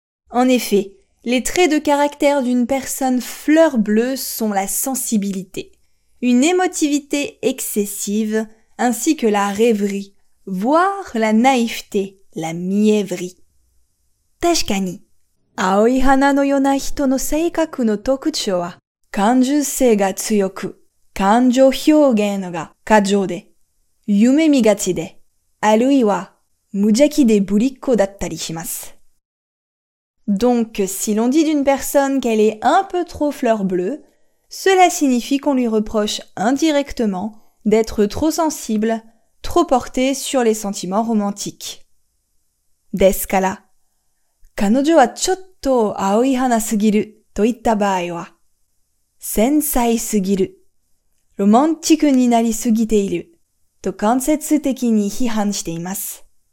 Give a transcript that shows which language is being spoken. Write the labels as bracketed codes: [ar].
[fr] En effet, les traits de caractère d'une personne fleur bleue sont la sensibilité, une émotivité excessive, ainsi que la rêverie, voire la naïveté, la mièvrerie. [ja] Tashikani, 青い花のような人の性格の特徴は、感受性が強く、感情表現が過剰で、夢見がちで、あるいは無邪気でぶりっ子だったりします。 [fr] Donc, si l'on dit d'une personne qu'elle est un peu trop fleur bleue, cela signifie qu'on lui reproche indirectement d'être trop sensible, trop portée sur les sentiments romantiques. [ja] ですから、彼女はちょっと青い花すぎると言った場合は、繊細すぎる、ロマンチックになりすぎていると間接的に批判しています。